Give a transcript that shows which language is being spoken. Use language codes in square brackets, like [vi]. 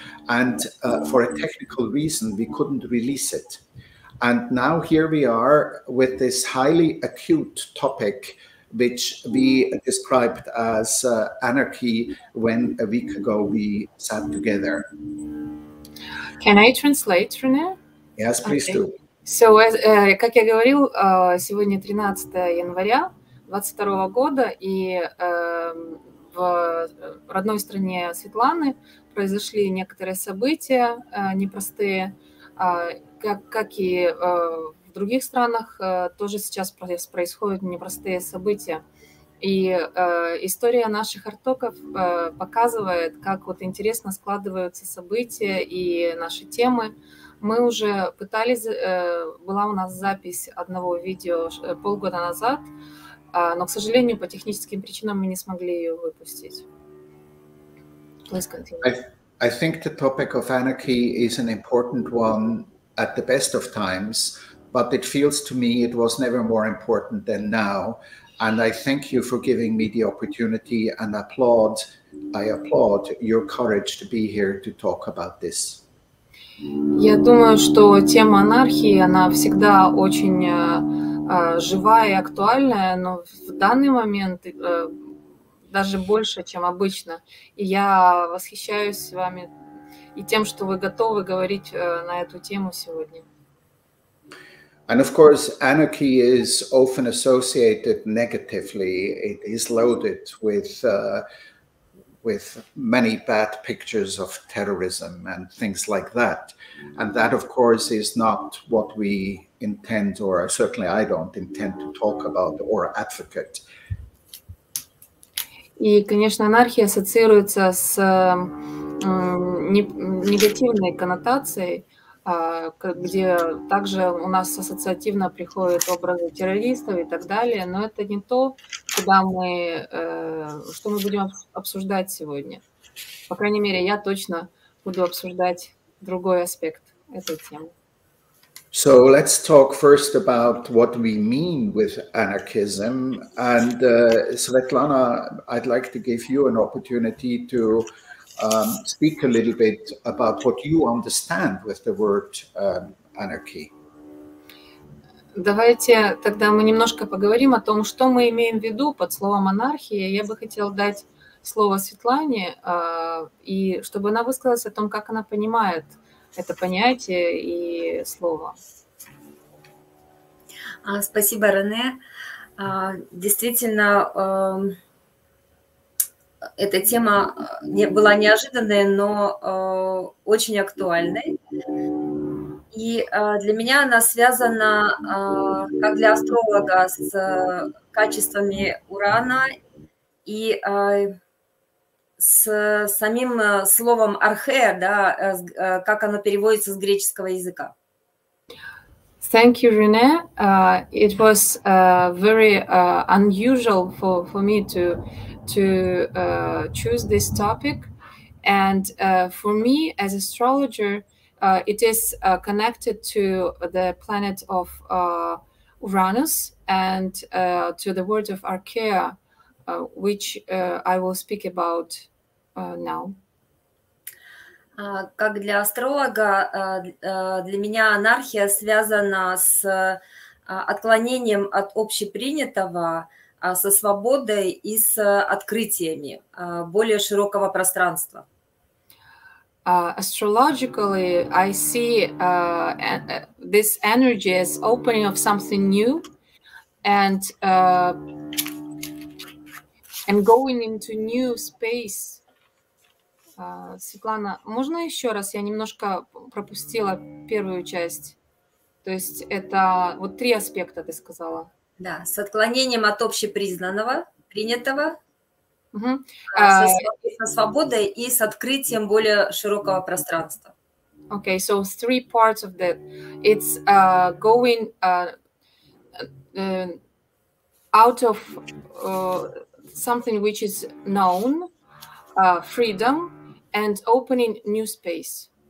[en] And for a technical reason, we couldn't release it. And now here we are with this highly acute topic, which we described as anarchy when a week ago we sat together. Can I translate, Rene? Yes, please okay. Do. [ru] So, как я говорил, сегодня 13 января 22 года, и в родной стране Светланы произошли некоторые события непростые, как и в других странах, тоже сейчас происходят непростые события. И история наших арт-токов показывает, как вот интересно складываются события и наши темы. Мы уже пытались, была у нас запись одного видео полгода назад, но, к сожалению, по техническим причинам мы не смогли ее выпустить. [en] Please continue. I think the topic of anarchy is an important one at the best of times, but it feels to me it was never more important than now. And I thank you for giving me the opportunity and I applaud your courage to be here to talk about this. [ru] Я думаю, что тема анархии, она всегда очень живая и актуальная, но в данный момент даже больше, чем обычно. И я восхищаюсь вами и тем, что вы готовы говорить на эту тему сегодня. [en] And of course, anarchy is often associated negatively. It is loaded with many bad pictures of terrorism and things like that. And that, of course, is not what we intend, or certainly I don't intend to talk about or advocate. [ru] И, конечно, анархия ассоциируется с негативной коннотацией. Где также у нас ассоциативно приходят образы террористов и так далее, но это не то, куда мы, что мы будем обсуждать сегодня. По крайней мере, я точно буду обсуждать другой аспект этой темы. [en] So let's talk first about what we mean with anarchism. And Svetlana, I'd like to give you an opportunity to speak a little bit about what you understand with the word anarchy. [ru] Давайте тогда мы немножко поговорим о том, что мы имеем в виду под словом анархия. Я бы хотела дать слово Светлане, и чтобы она высказалась о том, как она понимает это понятие и слово. Спасибо, Рене. Действительно, эта тема была неожиданной, но очень актуальной. И для меня она связана, как для астролога, с качествами Урана и с самим словом «архе», да, как оно переводится с греческого языка. [en] Thank you, Rene. It was very unusual for me to choose this topic. And for me as astrologer, it is connected to the planet of Uranus and to the word of Archaea, which I will speak about now. [ru] Как для астролога, для меня анархия связана с отклонением от общепринятого, со свободой и с открытиями более широкого пространства. [en] Astrologically, I see this energy as opening of something new and going into new space. [ru] Светлана, можно еще раз? Я немножко пропустила первую часть. То есть это вот три аспекта ты сказала. Да, с отклонением от общепризнанного, принятого. Со свободой и с открытием более широкого пространства. [en] Okay, so three parts of that. It's going out of something which is known, freedom, and opening new space.